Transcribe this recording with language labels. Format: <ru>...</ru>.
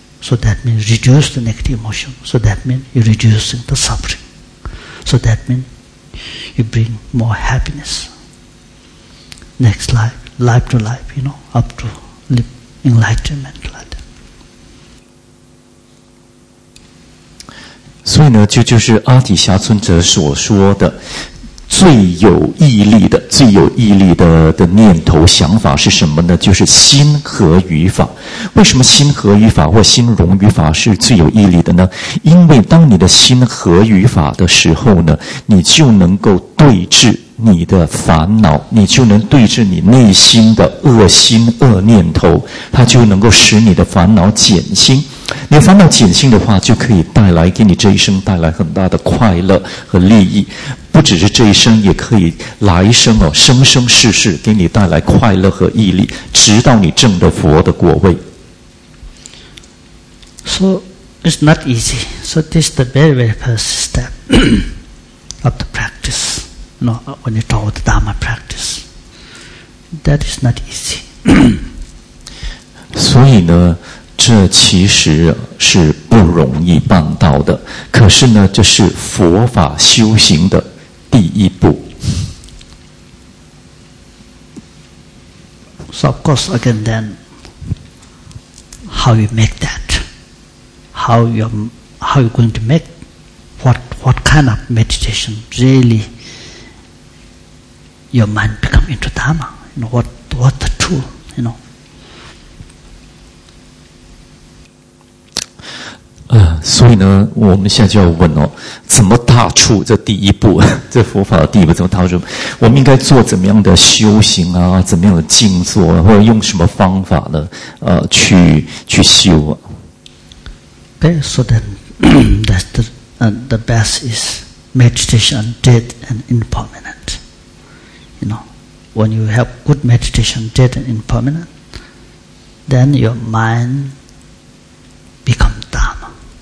<en>So that means reduce the negative emotion. So that means you're reducing the suffering. So that means you bring more happiness. Next life, life to life, you know, up to enlightenment. Like</en> <zh>所以呢，就是阿底峡尊者所说的最有毅力的、最有毅力的念头、想法是什么呢？就是心和语法。为什么心和语法或心容语法是最有毅力的呢？因为当你的心和语法的时候呢，你就能够对治你的烦恼，你就能对治你内心的恶心、恶念头，它就能够使你的烦恼减轻。你烦恼减轻的话，就可以带来给你这一生带来很大的快乐和利益。不只是这一生，也可以来生哦，生生世世给你带来快乐和毅力，直到你证得佛的果位。</zh> <en>So it's not easy. So this is the very, very first step of the practice. You know, when you talk about the Dharma practice, that is not easy.</en> <zh>所以呢，这其实是不容易办到的。可是呢，这是佛法修行的第一步。</zh> <en>So of course, again, then, how you make that? How you going to make? What kind of meditation really your mind become into Dharma? You know, what the tool? You know.</en> <zh>所以呢，我们现在就要问哦，怎么踏出这第一步？这佛法的第一步怎么踏出？我们应该做怎么样的修行啊？怎么样的静坐，或者用什么方法呢？去修啊</zh> <en>？Okay, so then that's the best is meditation dead and impermanent. You know, when you have good meditation dead and impermanent, then your mind becomes Dharma.</en>